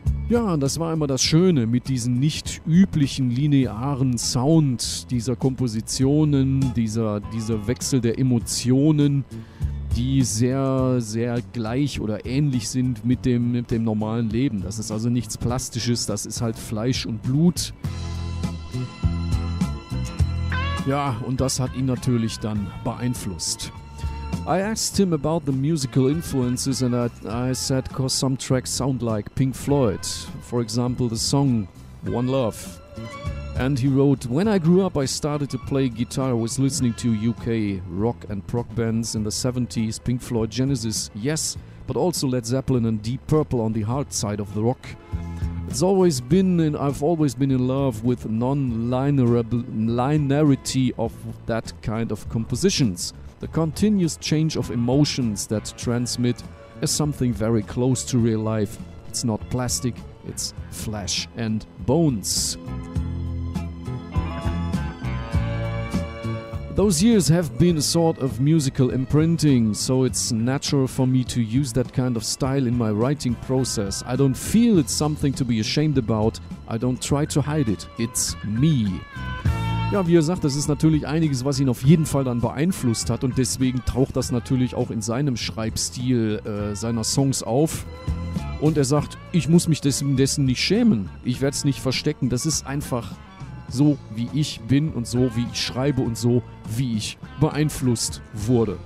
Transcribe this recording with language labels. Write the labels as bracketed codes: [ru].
[de] Ja, das war immer das Schöne mit diesem nicht üblichen linearen Sound dieser Kompositionen, dieser Wechsel der Emotionen, die sehr, sehr gleich oder ähnlich sind mit dem normalen Leben. Das ist also nichts Plastisches, das ist halt Fleisch und Blut. Ja, und das hat ihn natürlich dann beeinflusst. [en] I asked him about the musical influences and I said, 'cause some tracks sound like Pink Floyd. For example, the song One Love. And he wrote, when I grew up, I started to play guitar. I was listening to UK rock and prog bands in the 70s, Pink Floyd, Genesis, Yes, but also Led Zeppelin and Deep Purple on the hard side of the rock. I've always been in love with non-linearity of that kind of compositions. The continuous change of emotions that transmit is something very close to real life. It's not plastic, it's flesh and bones. Those years have been a sort of musical imprinting, so it's natural for me to use that kind of style in my writing process. I don't feel it's something to be ashamed about. I don't try to hide it. It's me. [de] Ja, wie er sagt, das ist natürlich einiges, was ihn auf jeden Fall dann beeinflusst hat und deswegen taucht das natürlich auch in seinem Schreibstil seiner Songs auf. Und er sagt, ich muss mich dessen nicht schämen, ich werde es nicht verstecken, das ist einfach so, wie ich bin und so, wie ich schreibe und so, wie ich beeinflusst wurde.